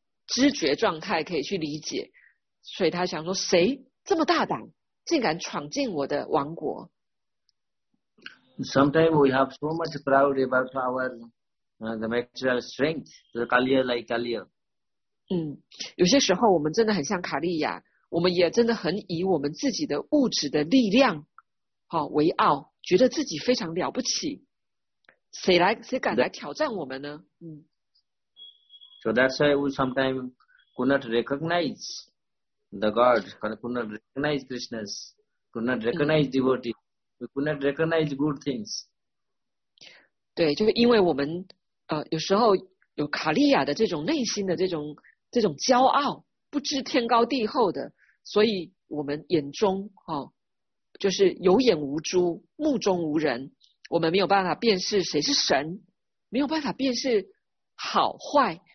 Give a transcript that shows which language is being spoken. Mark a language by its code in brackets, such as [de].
[zh] 知觉状态可以去理解，所以他想说谁这么大胆竟敢闯进我的王国。 [en] Sometimes we have so much proud about our the material strength, the Kaliya like Kaliya. [zh] 有些时候我们真的很像卡利亚，我们也真的很以我们自己的物质的力量为傲，觉得自己非常了不起，谁敢来挑战我们呢？ [en] So that's why we sometimes could not recognize the God, could not recognize Krishna, could not recognize devotee, we could not recognize good things. [zh] 对，就是因为我们有时候有卡利亚的这种内心的这种骄傲，不知天高地厚的，所以我们眼中就是有眼无珠，目中无人，我们没有办法辨识谁是神，没有办法辨识好坏。